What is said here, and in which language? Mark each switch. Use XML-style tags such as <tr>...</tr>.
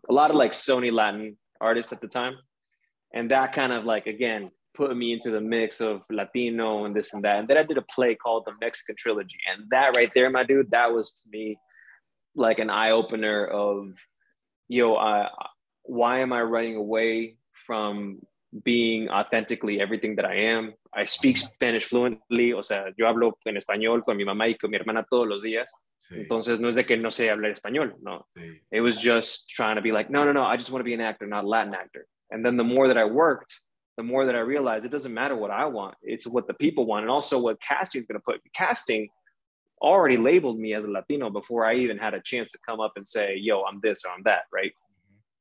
<en>A lot of like Sony Latin artists at the time. And that kind of like, again, put me into the mix of Latino and this and that. And then I did a play called The Mexican Trilogy. And that right there, my dude, that was to me like an eye opener of, yo, why am I running away from being authentically everything that I am? I speak Spanish fluently.</en> <es>O sea, yo hablo en español con mi mamá y con mi hermana todos los días. Sí. Entonces, no es de que no sé hablar español, no. Sí.</es> <en>It was just trying to be like, no, I just want to be an actor, not a Latin actor. And then the more that I worked, the more that I realized it doesn't matter what I want. It's what the people want. And also what casting is going to put. Casting already labeled me as a Latino before I even had a chance to come up and say, yo, I'm this or I'm that, right? Mm-hmm.</en>